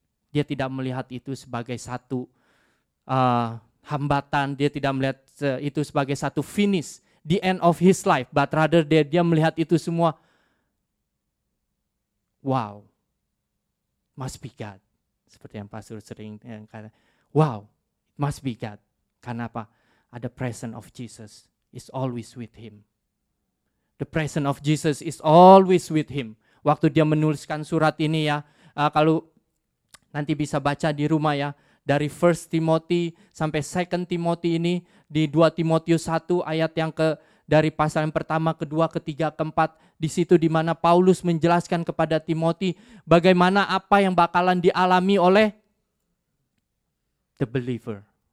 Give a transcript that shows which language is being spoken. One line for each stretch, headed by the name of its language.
Indonesian: Dia tidak melihat itu sebagai satu hambatan, dia tidak melihat itu sebagai satu finish,
English: the end of his life,
Indonesian: but rather dia melihat itu semua,
English: wow, must be God.
Indonesian: Seperti yang Pastor sering katakan,
English: wow, must be God.
Indonesian: Karena apa? Ada
English: presence of Jesus, is always with him. The presence of Jesus is always with him.
Indonesian: Waktu dia menuliskan surat ini ya, kalau nanti bisa baca di rumah ya, dari 1 Timothy sampai 2 Timothy ini, di 2 Timotius 1 ayat yang ke, dari pasal yang pertama, kedua, ketiga, keempat, di situ di mana Paulus menjelaskan kepada Timothy bagaimana apa yang bakalan dialami oleh
English: the believer.